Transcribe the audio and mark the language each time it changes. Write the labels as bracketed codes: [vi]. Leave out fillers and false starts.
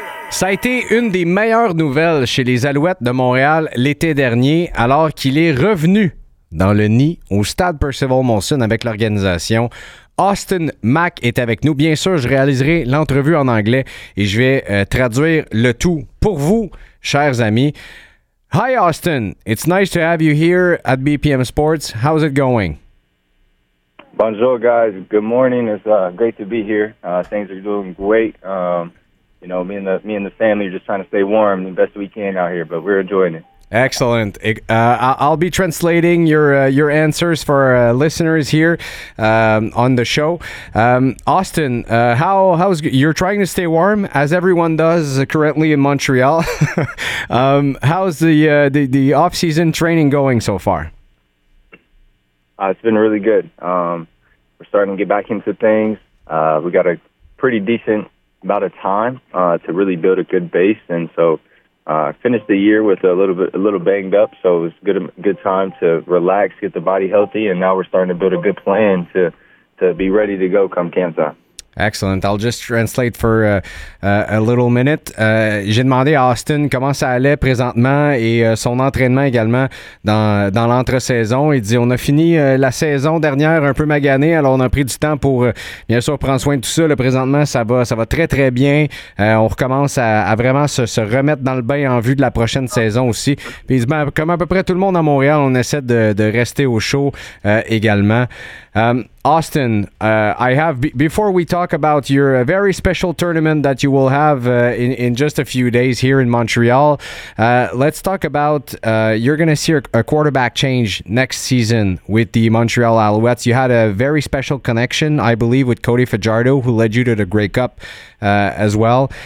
[fr] Ça a été une des meilleures nouvelles chez les Alouettes de Montréal l'été dernier, alors qu'il est revenu dans le nid au stade Percival Molson avec l'organisation. Austin Mack est avec nous. Bien sûr, je réaliserai l'entrevue en anglais et je vais traduire le tout pour vous, chers amis. [en] Hi Austin, it's nice to have you here at BPM Sports. How's it going? Bonjour guys, good morning. It's great to be here. Things are doing great. You know, me and the family are just trying to stay warm the best we can out here, but we're enjoying it. Excellent. I'll be translating your answers for listeners here on the show. Austin, how's you're trying to stay warm as everyone does currently in Montreal. how's the off-season training going so far? It's been really good. We're starting to get back into things. We got a pretty decent amount of time to really build a good base, and so finished the year with a little banged up, so it was good time to relax, get the body healthy, and now we're starting to build a good plan to be ready to go come camp time. Excellent. I'll just translate for a little minute. [fr] J'ai demandé à Austin comment ça allait présentement et son entraînement également dans l'entre-saison. Il dit, on a fini la saison dernière un peu maganée, alors on a pris du temps pour, bien sûr, prendre soin de tout ça. Là, présentement, ça va très, très bien. On recommence à vraiment se remettre dans le bain en vue de la prochaine saison aussi. Puis il dit, ben, comme à peu près tout le monde à Montréal, on essaie de rester au chaud également. [en] Austin, I have before we talk about your very special tournament that you will have in just a few days here in Montreal, let's talk about you're going to see a quarterback change next season with the Montreal Alouettes. You had a very special connection, I believe, with Cody Fajardo, who led you to the Grey Cup as well.